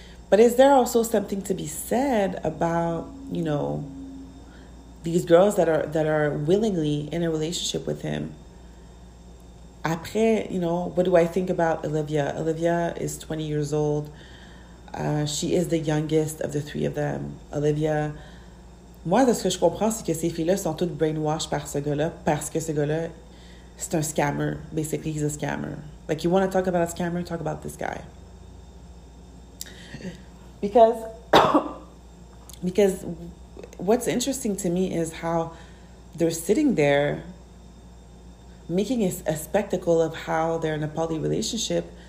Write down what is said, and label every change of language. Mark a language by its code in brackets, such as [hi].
[en] But is there also something to be said about, you know, these girls that are willingly in a relationship with him? Après, you know, what do I think about Olivia? Olivia is 20 years old. She is the youngest of the three of them. Olivia... [fr] Moi, de ce que je comprends, c'est que ces filles-là sont toutes brainwashed par ce gars-là parce que ce gars-là, c'est un scammer. [en] Basically, he's a scammer. Like, you want to talk about a scammer, talk about this guy. Because what's interesting to me is how they're sitting there making a spectacle of how they're in a poly relationship.